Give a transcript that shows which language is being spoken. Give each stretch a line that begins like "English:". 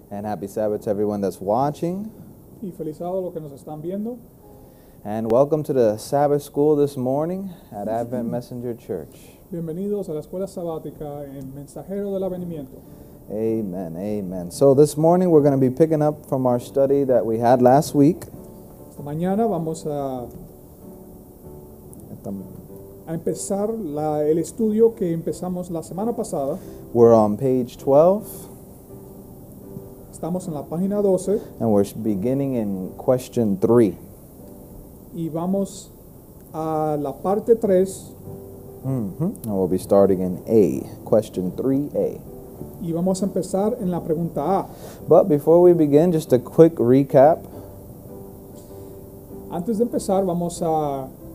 English: And happy Sabbath to everyone that's watching.
Spanish: Y feliz sábado a los que nos están viendo.
English: And welcome to the Sabbath School this morning at Advent Messenger Church.
Spanish: Bienvenidos a la escuela sabática en Mensajero del Avenimiento.
English: Amen, amen. So this morning we're going to be picking up from our study that we had last week.
Spanish: Esta mañana vamos a empezar el estudio que empezamos la semana pasada.
English: We're on page 12.
Spanish: Estamos en la página 12.
English: And we're beginning in question 3.
Spanish: Y vamos a la parte 3. Mm-hmm.
English: And we'll be starting in A, question 3A.
Spanish: Y vamos a empezar en la pregunta A.
English: But before we begin, just a quick recap.
Spanish: Antes de empezar, vamos a